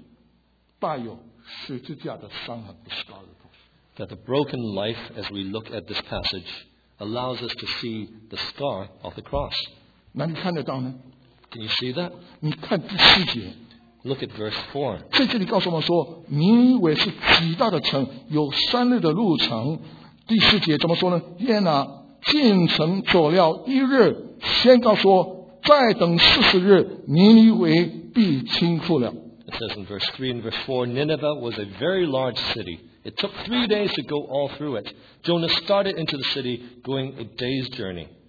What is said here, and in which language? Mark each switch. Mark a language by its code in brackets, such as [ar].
[zh] 就是我们在这一段经文里面要看到破碎生命带有十字架的伤痕, [en] the scar of the cross. That the broken life, as we look at this passage, allows us to see the scar of the cross. [zh] 哪里看得到呢? [en] Can you see that? [zh] 你看第四节, [en] look at verse 4. [zh] 在这里告诉我们说, 你以为是极大的城, 有三日的路程, 第四节怎么说呢? 耶拿, 进城走了一日, 先告说, 再等40日, 尼尼微必倾覆了。 [en] It says in verse 3 and verse 4, Nineveh was a very large city. It took 3 days to go all through it. Jonah started into the city going a day's journey.